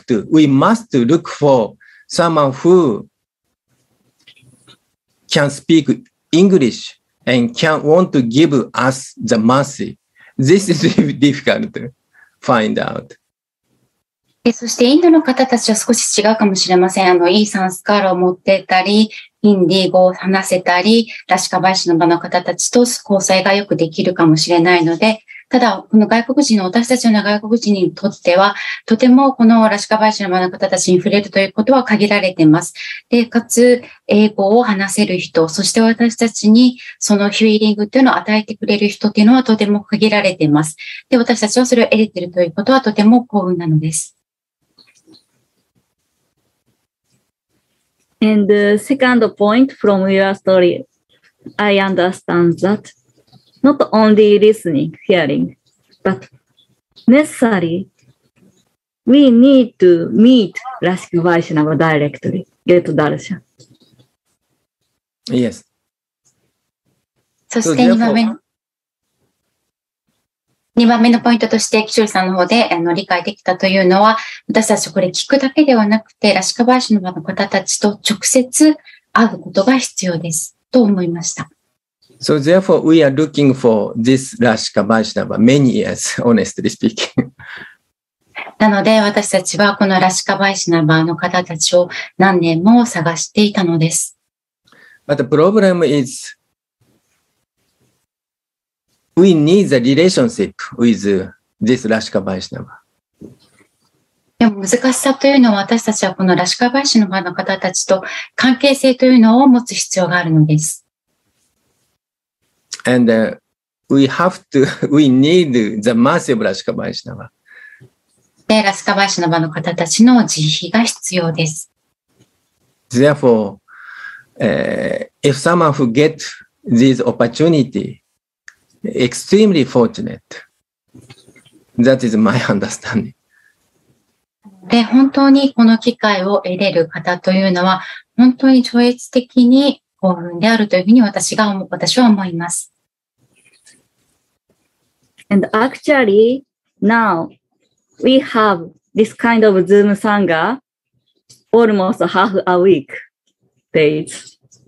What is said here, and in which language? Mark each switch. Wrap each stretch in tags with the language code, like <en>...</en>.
<en>We must look for someone whocan speak English and can want to give us the mercy. This is difficult to find out.</en> <ja>そしてインドの方たちは少し違うかもしれません。いいサンスカールを持ってたり、インディー語を話せたり、ラシカバイシノバの方たちと交際がよくできるかもしれないので、ただ、この外国人の、私たちの外国人にとっては、とてもこのラシカバイシノバの方たちに触れるということは限られています。で、かつ、英語を話せる人、そして私たちにそのヒーリングというのを与えてくれる人というのはとても限られています。で、私たちはそれを得れているということはとても幸運なのです。</ja> <en>And the second point from your story, I understand that not only listening, hearing, but necessary, we need to meet Rashika Vaishnava directly, get darshan. Yes.</en> <ja>そして2番目のポイントとして、キシュルさんの方で理解できたというのは、私たちこれ聞くだけではなくて、ラシカバイシノバの方たちと直接会うことが必要ですと思いました。</ja> <en>So therefore, we are looking for this Rashika Vaishnava many years, honestly speaking.</en> <ja>なので、私たちはこのラシカバイシノバの方たちを何年も探していたのです。</ja> <en>But the problem is,We need the relationship with this Rashika Vaishnava.</en> <ja>でも難しさというのは、私たちはこのラシカバイシノバの方たちと関係性というのを持つ必要があるのです。</ja> <en>And we need the mercy of Rashika Vaishnava.</en> <ja>で、ラシカバイシノバの方たちの慈悲が必要です。</ja> <en>Therefore, if someone who get this opportunity,Extremely fortunate. That is my understanding.</en> <ja>で、本当にこの機会を得れる方というのは、本当に超越的に幸運であるというふうに私は思います。</ja> <en>And actually, now, we have this kind of Zoom Sangha almost half a week days.</en>